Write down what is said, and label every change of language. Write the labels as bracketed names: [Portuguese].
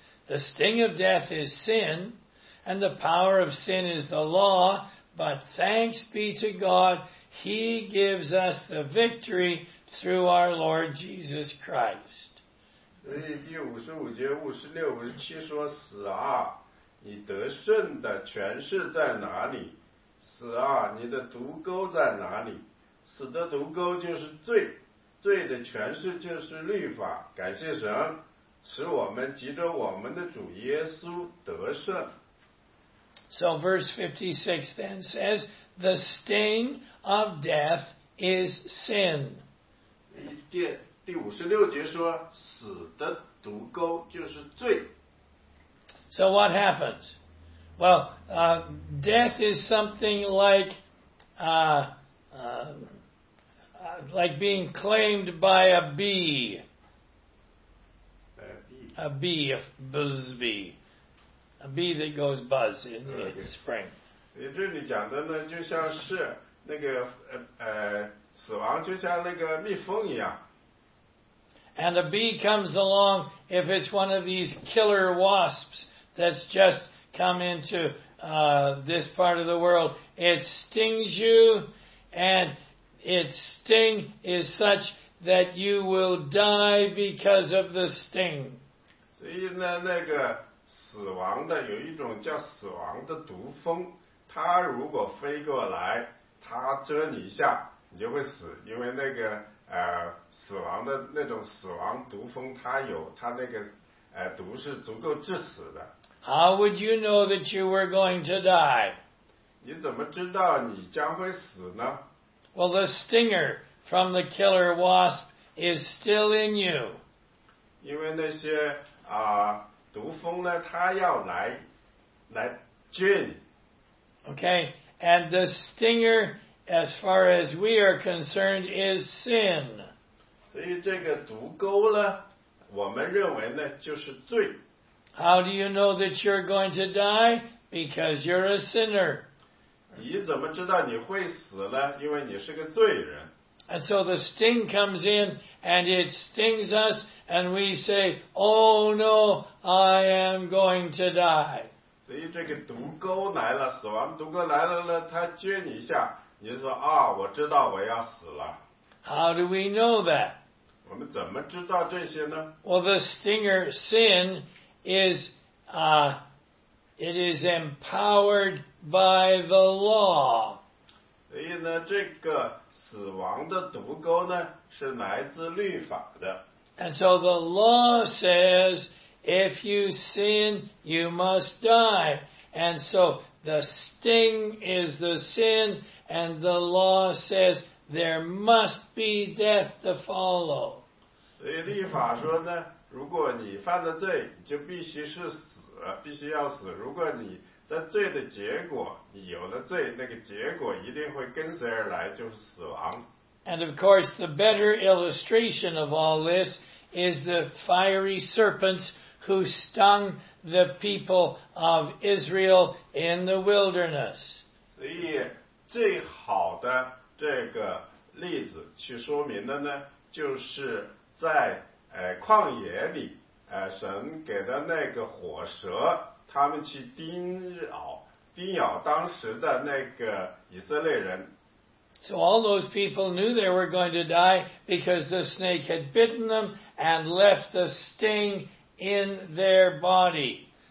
[English] The sting of death is sin, and the power of sin is the law. But thanks be to God, He gives us the victory through our Lord Jesus Christ. [Chinese] 第五十五节、五十六、五十七说：死啊，你得胜的权势在哪里？死啊，你的毒钩在哪里？死的毒钩就是罪，罪的权势就是律法。感谢神，使我们藉着我们的主耶稣得胜。 [English] So verse 56 then says, the sting of death is sin. [Chinese] 第五十六节说，死的毒钩就是罪。 [English] So what happens? Well, death is something like, like being claimed by a bee. A bee, a buzz bee. A bee that goes buzz in the spring. [Chinese] 这里讲的呢，就像是那个死亡就像那个蜜蜂一样。 [English] And a bee comes along if it's one of these killer wasps that's just come into this part of the world. It stings you and... its sting is such that you will die because of the sting. [Chinese] 所以呢，那个死亡的有一种叫死亡的毒蜂，它如果飞过来，它蛰你一下，你就会死，因为那个死亡的那种死亡毒蜂，它有它那个毒是足够致死的。 [English] How would you know that you were going to die? [Chinese] 你怎么知道你将会死呢？ [English] Well, the stinger from the killer wasp is still in you. [Chinese] 因为那些毒蜂呢，它要来蛰你。 [English] Okay, and the stinger, as far as we are concerned, is sin. [Chinese] 所以这个毒钩呢，我们认为呢，就是罪。 [English] How do you know that you're going to die? Because you're a sinner. [Chinese] 你怎么知道你会死呢？因为你是个罪人。 [English] And so the sting comes in, and it stings us, and we say, Oh no, I am going to die. [Chinese] 所以这个毒钩来了，死亡毒钩来了呢，它撅你一下，你说啊，我知道我要死了。 [English] How do we know that? [Chinese] 我们怎么知道这些呢？ [English] Well, the stinger sin is, it is empowered by the law. [Chinese] 所以呢，这个死亡的毒钩呢，是来自律法的。 [English] And so the law says, if you sin, you must die. And so the sting is the sin, and the law says there must be death to follow. [Chinese] 所以律法说呢，如果你犯了罪，你就必须是死，必须要死。如果你在罪的结果，你有了罪，那个结果一定会跟随而来，就是死亡。 [English] And of course, the better illustration of all this is the fiery serpents who stung the people of Israel in the wilderness. [Chinese] 所以最好的这个例子去说明的呢，就是在旷野里神给的那个火蛇，他们去叮咬当时的那个以色列人。 [English] So all those people knew they were going to die because the snake had bitten them and left the sting in their body.